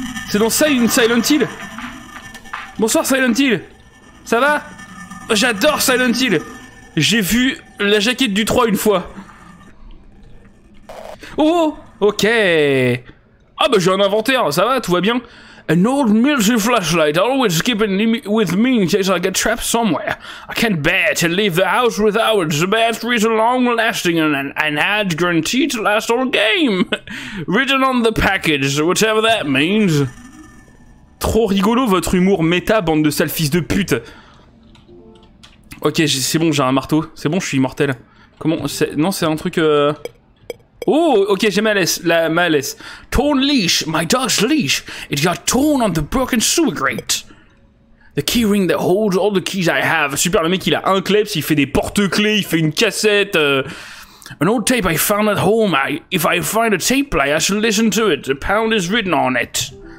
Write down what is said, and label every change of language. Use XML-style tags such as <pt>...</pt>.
<fr>C'est dans Silent Hill? Bonsoir Silent Hill! Ça va? J'adore Silent Hill! J'ai vu la jaquette du 3 une fois! Oh! Ok! Ah bah j'ai un inventaire, ça va, tout va bien?</fr> <en>An old military flashlight always keeping with me in case I get trapped somewhere. I can't bear to leave the house without it. The battery is long lasting and an ad guaranteed to last all game. Written on the package, whatever that means.</en> <fr>Trop rigolo votre humour méta, bande de sales fils de pute. Ok, c'est bon, j'ai un marteau. C'est bon, je suis immortel. Comment... c'est un truc... Oh, ok, j'ai ma laisse.</fr> <en>Torn leash, my dog's leash. It got torn on the broken sewer grate. The key ring that holds all the keys I have.</en> <fr>Super, le mec, il a un kleps, il fait des porte-clés, il fait une cassette.</fr> <en>An old tape I found at home. If I find a tape player, I should listen to it. The pound is written on it.</en>